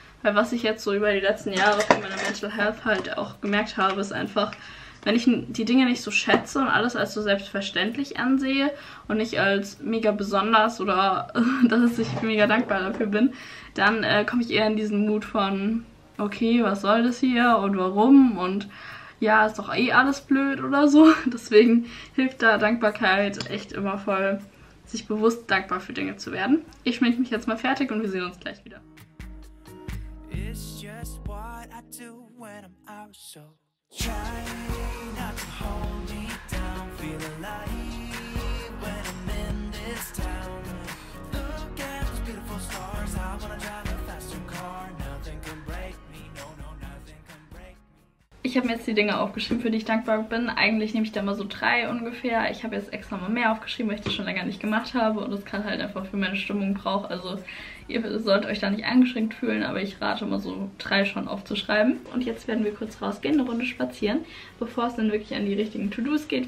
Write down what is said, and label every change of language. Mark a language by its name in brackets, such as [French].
[German] Weil was ich jetzt so über die letzten Jahre von meiner Mental Health halt auch gemerkt habe, ist einfach, wenn ich die Dinge nicht so schätze und alles als so selbstverständlich ansehe und nicht als mega besonders oder dass ich mega dankbar dafür bin, dann komme ich eher in diesen Mut von, okay, was soll das hier und warum und ja, ist doch eh alles blöd oder so. Deswegen hilft da Dankbarkeit echt immer voll, sich bewusst dankbar für Dinge zu werden. Ich schminke mich jetzt mal fertig und wir sehen uns gleich wieder. [English] It's just what I do when I'm out, so try not to hold me down. Feel alive when I'm in this town. Look at those beautiful stars. I wanna drive a faster car. Nothing can break me. No, no, nothing can break me. [German] Ich habe mir jetzt die Dinge aufgeschrieben, für die ich dankbar bin. Eigentlich nehme ich da mal so 3 ungefähr. Ich habe jetzt extra mal mehr aufgeschrieben, weil ich das schon länger nicht gemacht habe und das gerade halt einfach für meine Stimmung brauche. Also ihr sollt euch da nicht eingeschränkt fühlen, aber ich rate mal so 3 schon aufzuschreiben. Und jetzt werden wir kurz rausgehen, eine Runde spazieren, bevor es dann wirklich an die richtigen To-Dos geht.